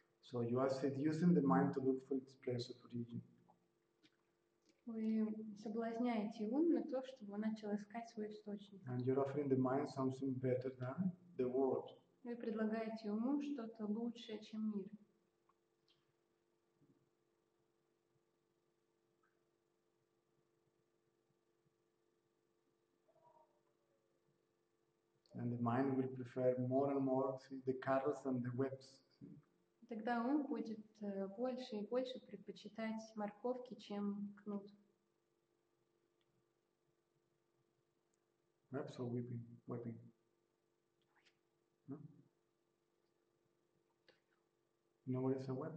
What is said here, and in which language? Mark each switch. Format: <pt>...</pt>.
<en>So you are seducing the mind to look for its place of origin.</en> <ru>Вы соблазняете ум на то, чтобы он начал искать свой источник.</ru> <en>And you're offering the mind something better than the world.</en> <ru>Вы предлагаете уму что-то лучшее, чем мир.</ru> <en>And the mind will prefer more and more the cuddles than the whips.</en> <ru>Тогда он будет больше и больше предпочитать морковки, чем кнут.</ru> <en>Whips or whipping? Whipping. You know what is a whip?</en>